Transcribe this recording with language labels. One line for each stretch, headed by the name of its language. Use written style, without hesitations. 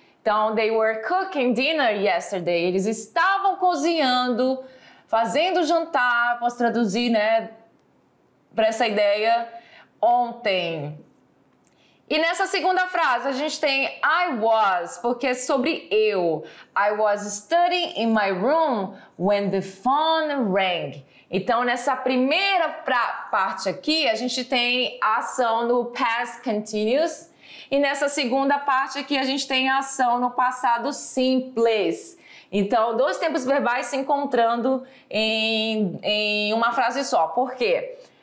Portuguese: Então,
English: they were cooking dinner yesterday.
Portuguese: Eles estavam cozinhando, fazendo jantar, posso traduzir, né, para essa ideia, ontem. E nessa segunda frase, a gente tem I was, porque é sobre eu.
English: I was studying in my room when the phone rang.
Portuguese: Então, nessa primeira parte aqui, a gente tem a ação no past continuous. E nessa segunda parte aqui, a gente tem a ação no passado simples. Então, dois tempos verbais se encontrando em uma frase só. Por quê?